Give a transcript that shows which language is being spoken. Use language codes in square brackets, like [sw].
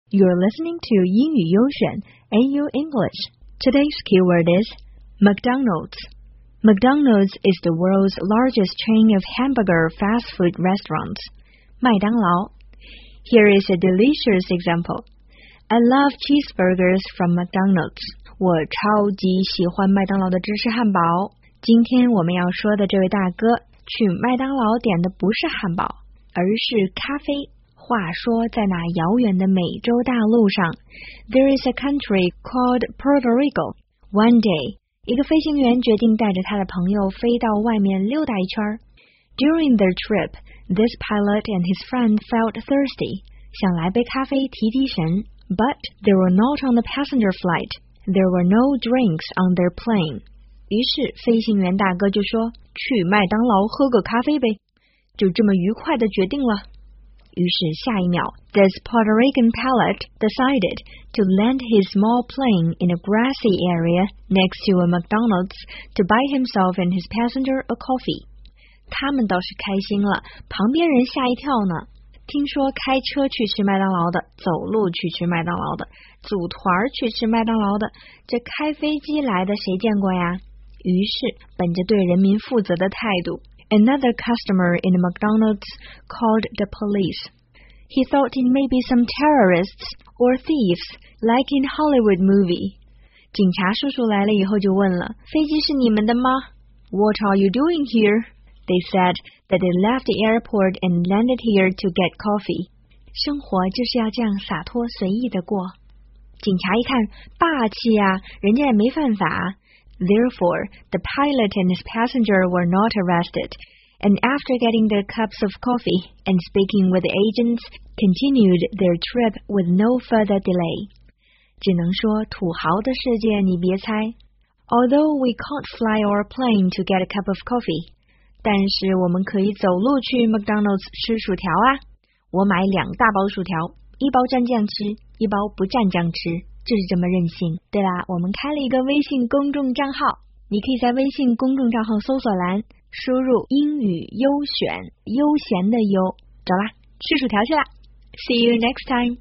[en] You're listening to 英语优选 AU English. Today's keyword is McDonald's. McDonald's is the world's largest chain of hamburger fast food restaurants. 麦当劳 Here is a delicious example. I love cheeseburgers from McDonald's. [zh] 我超级喜欢麦当劳的芝士汉堡。今天我们要说的这位大哥去麦当劳点的不是汉堡，而是咖啡。话说在那遥远的美洲大陆上 [en] There is a country called Puerto Rico. One day, [zh] 一个飞行员决定带着他的朋友飞到外面溜达一圈。 [en] During their trip, this pilot and his friend felt thirsty, [zh] 想来杯咖啡提提神。 [en] But they were not on the passenger flight. There were no drinks on their plane. [zh] 于是飞行员大哥就说，去麦当劳喝个咖啡呗。就这么愉快地决定了。于是下一秒 [en] This Puerto Rican pilot decided to land his small plane in a grassy area next to a McDonald's to buy himself and his passenger a coffee. [zh] 他们倒是开心了，旁边人吓一跳呢。听说开车去吃麦当劳的，走路去吃麦当劳的，组团去吃麦当劳的，这开飞机来的谁见过呀？于是本着对人民负责的态度， [en] Another customer in McDonald's called the police. He thought it may be some terrorists or thieves, like in Hollywood movie. [zh] 警察叔叔来了以后就问了，飞机是你们的吗？ [en] What are you doing here? They said that they left the airport and landed here to get coffee. [zh] 生活就是要这样洒脱随意的过。警察一看，霸气呀，人家也没犯法。 [en] Therefore, the pilot and his passenger were not arrested, and after getting their cups of coffee and speaking with the agents, continued their trip with no further delay. [zh] 只能说土豪的世界你别猜。 [en] Although we can't fly our plane to get a cup of coffee, [zh] 但是我们可以走路去 McDonald's 吃薯条啊。我买两大包薯条，一包蘸酱吃，一包不蘸酱吃。就是这么任性。对啦，我们开了一个微信公众账号，你可以在微信公众账号搜索栏输入英语优选，悠闲的悠，走啦，吃薯条去啦。 [en] See you next time.